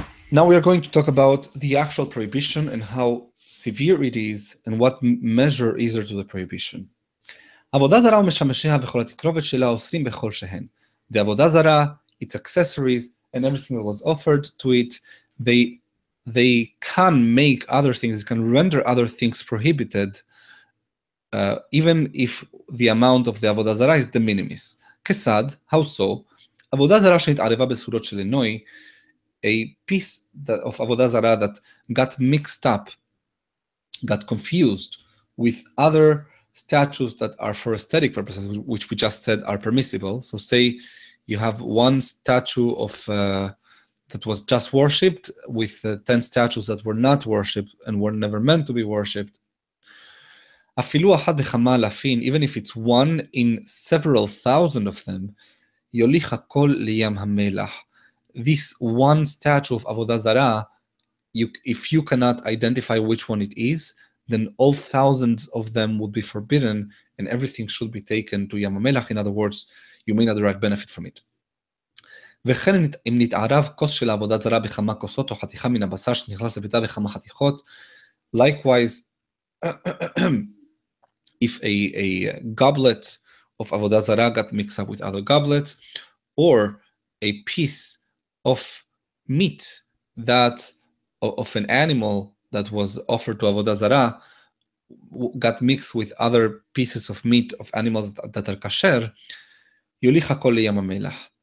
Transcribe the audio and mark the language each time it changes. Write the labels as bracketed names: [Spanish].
[English] Now we are going to talk about the actual prohibition and how severe it is and what measure is there to the prohibition. [Hebrew] עבודה זרה ומשמשיה וכל התקרובת שלה עושים בכל שהן. [English] The עבודה זרה, its accessories, and everything that was offered to it, they can make other things, can render other things prohibited, even if the amount of the עבודה זרה is the minimis. [Hebrew] כסד, [English] how so, [Hebrew] עבודה זרה שהתערבה בסעודות של אינוי, [English] a piece that, of עבודה זרה that got mixed up, got confused with other statues that are for aesthetic purposes, which we just said are permissible. So say you have one statue of that was just worshipped with 10 statues that were not worshipped and were never meant to be worshipped. [Hebrew] אפילו אחד בכמה אלפים, [English] even if it's one in several thousand of them, [Hebrew] יוליך הכל לים המלח. [English] This one statue of עבודה זרה, if you cannot identify which one it is, then all thousands of them would be forbidden and everything should be taken to Yam HaMelech. In other words, you may not derive benefit from it. [Hebrew] וכן אם נתערב כוס של עבודה זרה בכמה כוסות או חתיכה מן הבשר שנכנס לביתה בכמה חתיכות, [English] likewise, if a goblet of עבודה זרה got mixed up with other goblets, or a piece of meat that of an animal that was offered to Avodah Zarah got mixed with other pieces of meat of animals that are kasher, [Hebrew] yulich hakol liyam ha-melech.